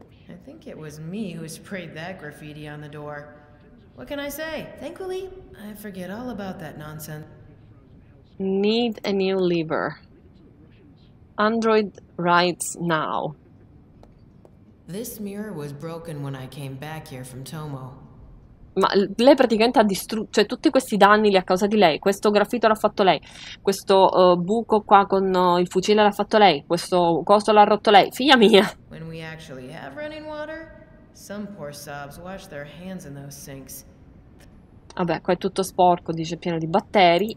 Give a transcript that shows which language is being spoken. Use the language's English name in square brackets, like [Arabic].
[English] I think it was me who sprayed that graffiti on the door. What can I say? Thankfully, I forget all about that nonsense. Need a new lever. Android rides now. This mirror was broken when I came back here from Tomo. [Italian] Ma lei praticamente ha distrutto, cioè tutti questi danni li ha causati lei. Questo graffito l'ha fatto lei. Questo buco qua con il fucile l'ha fatto lei. Questo coso l'ha rotto lei. Figlia mia. [English] When we actually have running water, some poor sobs wash their hands in those sinks. [Italian] Vabbè, qua è tutto sporco, dice, pieno di batteri.